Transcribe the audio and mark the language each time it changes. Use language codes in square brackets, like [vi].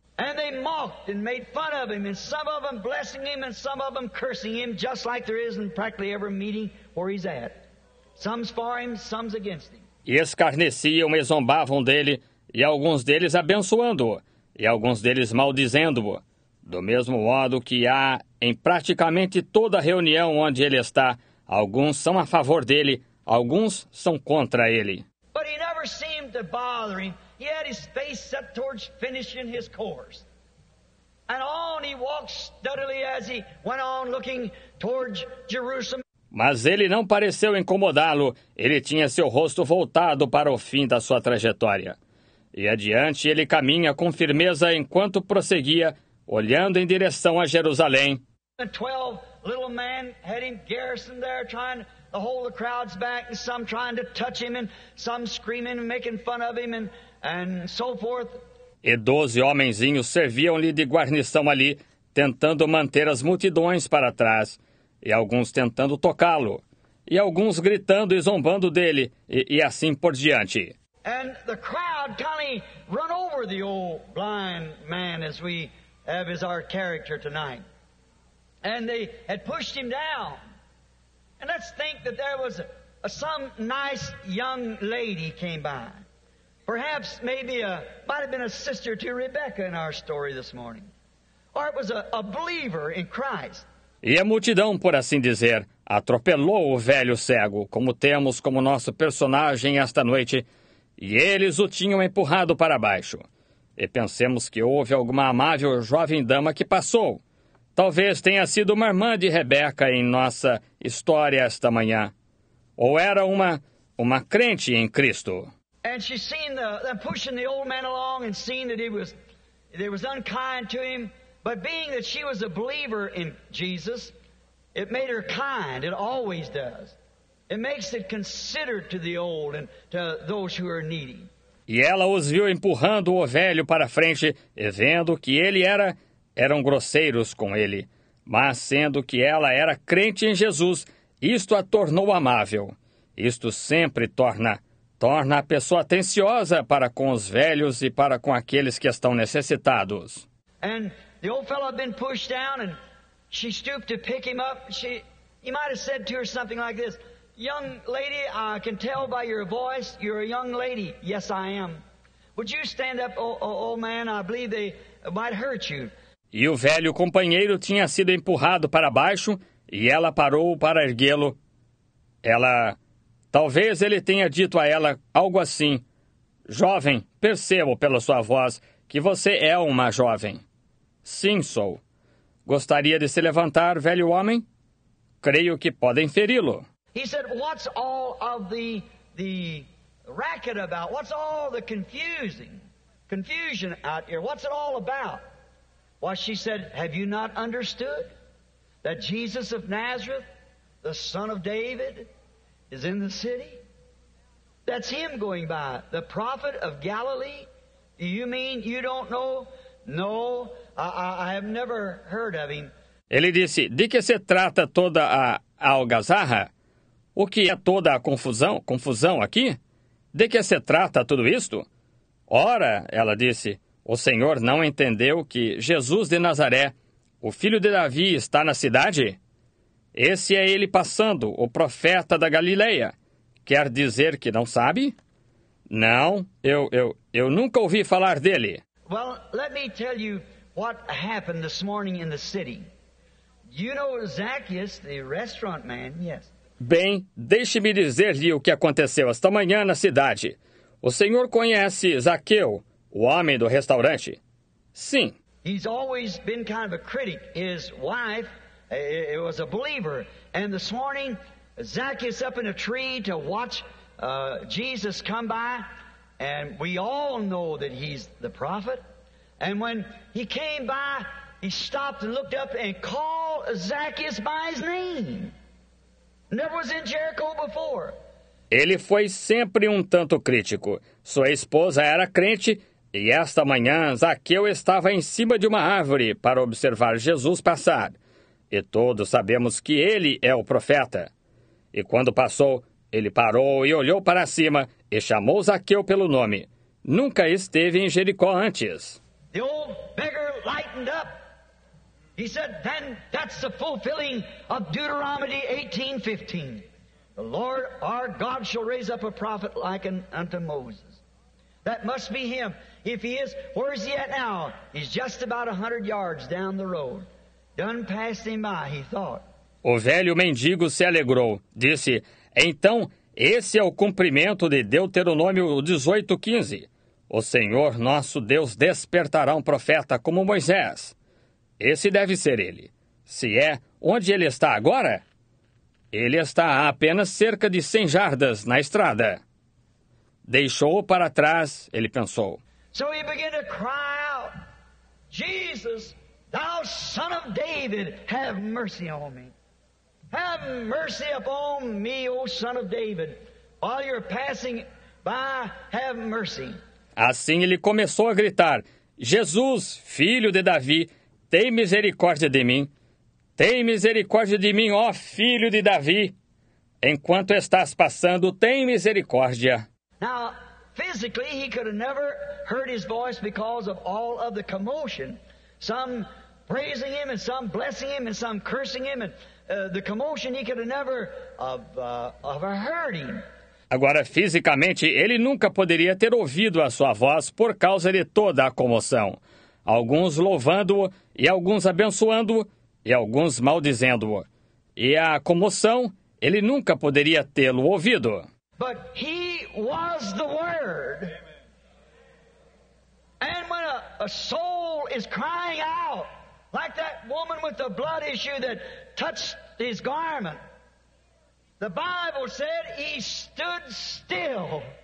[en] And they mocked and made fun of him, and some of them blessing him and some of them cursing him, just like there is in practically every meeting where he's at. Some's for him, some's against him. [pt] E escarneciam e zombavam dele, e alguns deles abençoando-o, e alguns deles maldizendo-o. Do mesmo modo que há em praticamente toda reunião onde ele está, alguns são a favor dele, alguns são contra ele. [en] But he never seemed to bother him. He had his face set towards finishing his course. And on he walked steadily as he went on looking towards Jerusalem. [pt] Mas ele não pareceu incomodá-lo. Ele tinha seu rosto voltado para o fim da sua trajetória. E adiante ele caminha com firmeza enquanto prosseguia, olhando em direção a Jerusalém. [en] The 12 little men had him garrisoned there trying to hold the crowds back, and some trying to touch him, and some screaming and making fun of him, and so forth. [pt] E 12 homenzinhos serviam-lhe de guarnição ali, tentando manter as multidões para trás. E alguns tentando tocá-lo, e alguns gritando e zombando dele, e assim por diante. [en] And the crowd kind of run over the old blind man as we have as our character tonight. And they had pushed him down. And let's think that there was some nice young lady came by. Perhaps maybe a might have been a sister to Rebecca in our story this morning. Or it was a believer in Christ. [pt] E a multidão, por assim dizer, atropelou o velho cego, como temos como nosso personagem esta noite, e eles o tinham empurrado para baixo. E pensemos que houve alguma amável jovem dama que passou. Talvez tenha sido uma irmã de Rebeca em nossa história esta manhã. Ou era uma crente em Cristo. [en] And she seen the pushing the old man along and seen that it was unkind to him. But being that she was a believer in Jesus, it made her kind. It always does. It makes it considerate to the old and to those who are needy. [pt] E ela os viu empurrando o velho para frente e vendo que ele eram grosseiros com ele. Mas sendo que ela era crente em Jesus, isto a tornou amável. Isto sempre torna a pessoa atenciosa para com os velhos e para com aqueles que estão necessitados. [en] And the old fellow had been pushed down, and she stooped to pick him up. He might have said to her something like this: "Young lady, I can tell by your voice you're a young lady." "Yes, I am." "Would you stand up, old man? I believe they might hurt you." [pt] E o velho companheiro tinha sido empurrado para baixo, e ela parou para erguê-lo. Talvez ele tenha dito a ela algo assim: "Jovem, percebo pela sua voz que você é uma jovem." "Sim, sou." "Gostaria de se levantar, velho homem?" "Creio que podem feri-lo." [en] He said, "What's all of the racket about? What's all the confusion out here? What's it all about?" "Well," she said, "have you not understood that Jesus of Nazareth, the son of David, is in the city? That's him going by, the prophet of Galilee. Do you mean you don't know?" "No, I have never heard of him." [pt] Ele disse: "De que se trata toda a algazarra? O que é toda a confusão aqui? De que se trata tudo isto?" "Ora," ela disse, "o senhor não entendeu que Jesus de Nazaré, o filho de Davi, está na cidade? Esse é ele passando, o profeta da Galileia. Quer dizer que não sabe?" "Não, eu nunca ouvi falar dele." [en] "Well, let me tell you what happened this morning in the city. You know Zacchaeus, the restaurant man, yes." [pt] "Bem, deixe-me dizer-lhe o que aconteceu esta manhã na cidade. O senhor conhece Zaqueu, o homem do restaurante?" "Sim." [en] "He's always been kind of a critic. His wife, it was a believer. And this morning, Zacchaeus up in a tree to watch Jesus come by. And we all know that he's the prophet. And when he came by, he stopped and looked up and called Zacchaeus by his name. Never was in Jericho before." [pt] "Ele foi sempre um tanto crítico. Sua esposa era crente, e esta manhã Zaqueu estava em cima de uma árvore para observar Jesus passar. E todos sabemos que ele é o profeta. E quando passou, ele parou e olhou para cima e chamou Zaqueu pelo nome. Nunca esteve em Jericó antes. [en] The old beggar lightened up. He said, then that's the fulfilling of Deuteronomy 18:15. The Lord our God shall raise up a prophet like unto Moses. That must be him. If he is, where is he at now? He's just about 100 yards down the road. Done passing by, he thought. [pt] O velho mendigo se alegrou. Disse, então, esse é o cumprimento de Deuteronômio 18:15. O Senhor nosso Deus despertará um profeta como Moisés. Esse deve ser ele. Se é, onde ele está agora? Ele está a apenas cerca de 100 jardas na estrada. Deixou-o para trás, ele pensou. [en] So he began to cry out, Jesus, thou son of David, have mercy on me. Have mercy upon me, O son of David. While you're passing by, have mercy. [pt] Assim ele começou a gritar, Jesus, filho de Davi, tem misericórdia de mim. Tem misericórdia de mim, ó filho de Davi. Enquanto estás passando, tem misericórdia. [en] Now, physically, he could have never heard his voice because of all of the commotion. Some praising him and some blessing him and some cursing him and the commotion he could have never heard him. [pt] Agora, fisicamente, ele nunca poderia ter ouvido a sua voz por causa de toda a comoção. Alguns louvando-o e alguns abençoando-o e alguns maldizendo-o. E a comoção, ele nunca poderia tê-lo ouvido. [en] But he was the Word. And when a soul is crying out, like that woman with the blood issue that touched his garment, the Bible said he stood still.